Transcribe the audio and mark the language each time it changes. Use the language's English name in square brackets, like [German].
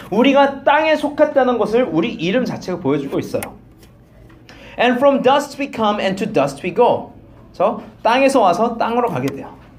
[Korean] 우리가 땅에 속했다는 것을 우리 이름 자체가 보여주고 있어요. [English] And from dust we come and to dust we go. [Korean] So, 땅에서 와서 땅으로 가게 돼요.